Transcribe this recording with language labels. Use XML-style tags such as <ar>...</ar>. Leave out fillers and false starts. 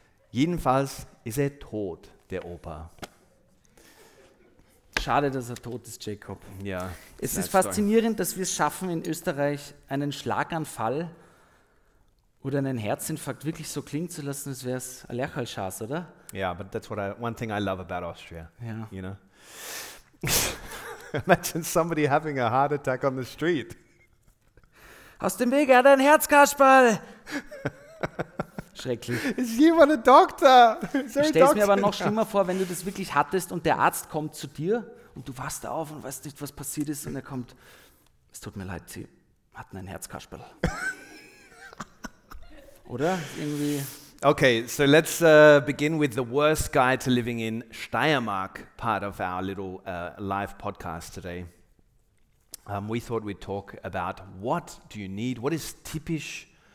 <de>Jedenfalls ist er tot, der Opa. Schade, dass er tot ist, Jacob. Ja. Es ist faszinierend, dass wir es schaffen, in Österreich einen Schlaganfall oder einen Herzinfarkt wirklich so klingen zu lassen, als wäre es ein Lerchalschaß, oder?</de> <en>Yeah, but that's what one thing I love about Austria. Yeah. You know? Imagine somebody having a heart attack on the street.</en> <de>Aus dem Weg, er hat ein Herz, Kasperl! Schrecklich. Is jemand ein Doktor? Stell es mir aber noch schlimmer vor, wenn du das wirklich hattest und der Arzt kommt zu dir und du wachst auf und weißt nicht, was passiert ist und er kommt, es tut mir leid, sie hatten ein Herz, Kasperl. Oder? Irgendwie.</de> <en>Okay, so let's begin with the worst guide to living in Steiermark part of our little live podcast today. We thought we'd talk about what do you need, what is typisch</en>